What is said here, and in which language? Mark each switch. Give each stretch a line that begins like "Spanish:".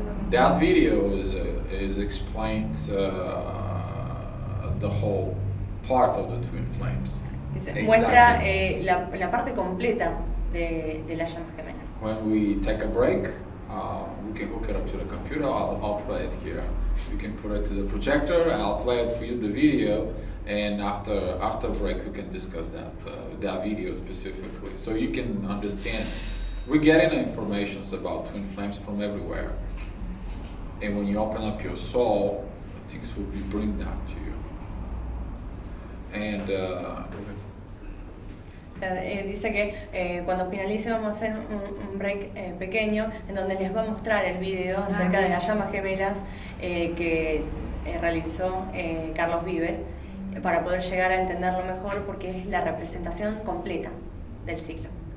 English: That video is explains the whole part of the twin flames. Exactly.
Spanish: Muestra la parte completa de la llama gemela.
English: When we take a break, we can hook it up to the computer. I'll play it here. We can put it to the projector, and I'll play it for you, the video. And after break, we can discuss that video specifically, so you can understand. We're getting information about twin flames from everywhere. And when you open up your soul, things will be bring that to you. And.
Spanish: Dice que cuando finalice vamos a hacer un break pequeño en donde les va a mostrar el video acerca de las llamas gemelas que realizó Carlos Vives para poder llegar a entenderlo mejor, porque es la representación completa del ciclo.